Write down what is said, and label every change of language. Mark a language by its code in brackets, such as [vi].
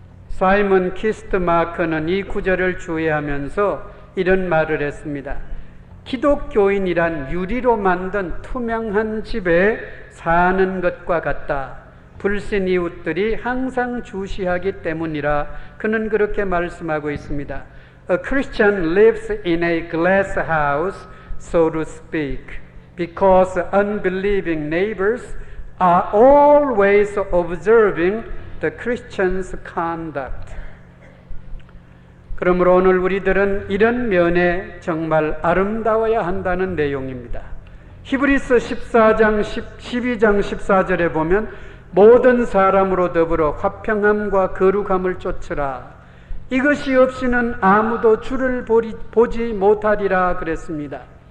[ko] 사이먼 키스트 마크는 이 구절을 주의하면서 이런 말을 했습니다. 기독교인이란 유리로 만든 투명한 집에 사는 것과 같다. 불신 이웃들이 항상 주시하기 때문이라. 그는 그렇게 말씀하고 있습니다. [en] A Christian lives in a glass house, so to speak, because unbelieving neighbors are always observing the Christian's conduct. [ko] 그러므로 오늘 우리들은 이런 면에 정말 아름다워야 한다는 내용입니다. 히브리서 12장 14절에 보면 모든 사람으로 더불어 화평함과 거룩함을 쫓으라. 이것이 없이는 아무도 주를 보지 못하리라 그랬습니다.